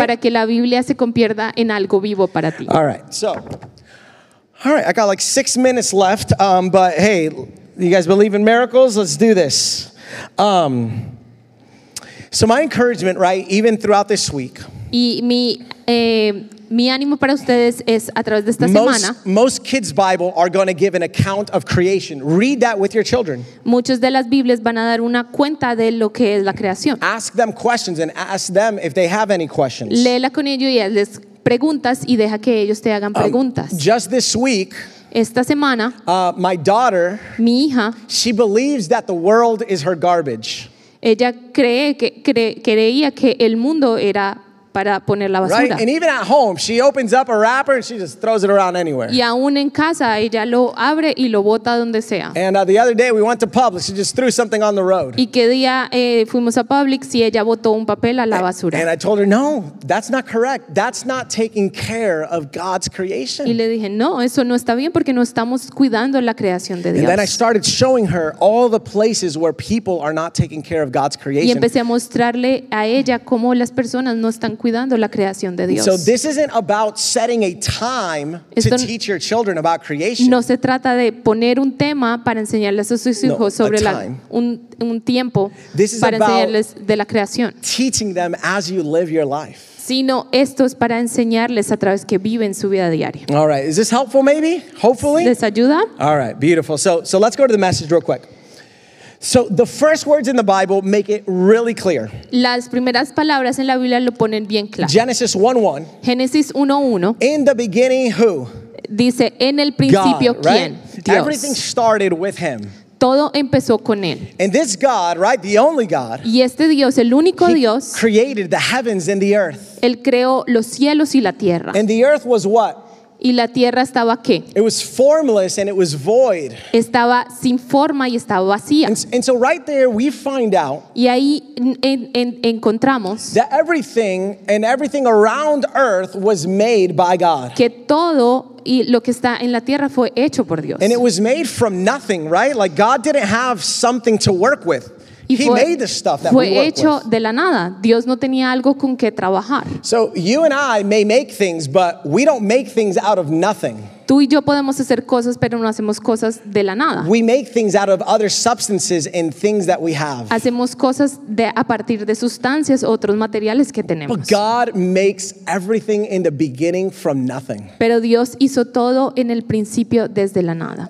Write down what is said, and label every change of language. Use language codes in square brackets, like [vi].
[es] Para que la Biblia se convierta en algo vivo para ti. [en] All right, so, all right, I got like 6 minutes left, but hey, you guys believe in miracles? Let's do this. So my encouragement, right, even throughout this week. [es] Y mi ánimo para ustedes es a través de esta semana. [en] Most kids' Bible are going to give an account of creation. Read that with your children. [es] Muchos de las Biblias van a dar una cuenta de lo que es la creación. [en] Ask them questions and ask them if they have any questions. [es] Léela con ellos y hazles preguntas y deja que ellos te hagan preguntas. [en] Just this week, [es] esta semana, [en] my daughter, [es] mi hija, [en] she believes that the world is her garbage. [es] Ella creía que el mundo era para poner la basura. [en] Right? And even at home, she opens up a wrapper and she just throws it around anywhere. [es] Y aún en casa, ella lo abre y lo bota donde sea. [en] And the other day, we went to Publix. She just threw something on the road. [es] Y qué día fuimos a Publix y ella botó un papel a la basura. [en] And I told her, no, that's not correct. That's not taking care of God's creation. [es] Y le dije, no, eso no está bien porque no estamos cuidando la creación de Dios. [en] And then I started showing her all the places where people are not taking care of God's creation. [es] Y empecé a mostrarle a ella cómo las personas no están cuidando la creación de Dios. [en] So this isn't about setting a time to teach your children about creation. [es] No se trata de poner un tema para enseñarles a sus hijos sobre un tiempo para enseñarles de la creación. [en] Teaching them as you live your life. [es] Sino esto es para enseñarles a través que viven su vida diaria. [en] All right, is this helpful maybe? Hopefully. [es] ¿Les ayuda? [en] All right, beautiful. So let's go to the message real quick. So the first words in the Bible make it really clear. [es] Las primeras palabras en la Biblia lo ponen bien claro. [en] Genesis 1:1. [es] Génesis 1:1. [en] In the beginning who? [es] Dice en el principio [en] God, right? [es] ¿Quién? [en] Dios. Everything started with him. [es] Todo empezó con él. [en] And this God, right, the only God, [es] y este Dios, el único Dios, [en] created the heavens and the earth. [es] Él creó los cielos y la tierra. [en] And the earth was what? [es] ¿Y la tierra estaba qué? [en] It was formless and it was void. [es] Estaba sin forma y estaba vacía. [en] And so right there we find out, [es] y ahí encontramos, [en] that everything and everything around earth was made by God. [es] Que todo y lo que está en la tierra fue hecho por Dios. [en] And it was made from nothing, right? Like God didn't have something to work with. He made the stuff that [es] fue [en] we work [es] hecho [en] with. [es] De la nada. Dios no tenía algo con que trabajar. [en] So you and I may make things, but we don't make things out of nothing. [es] Tú y yo podemos hacer cosas, pero no hacemos cosas de la nada. [en] We make things out of other substances and things that we have. [es] Hacemos cosas de a partir de sustancias, otros materiales que tenemos. [en] But God makes everything in the beginning from nothing. [es] Pero Dios hizo todo en el principio desde la nada.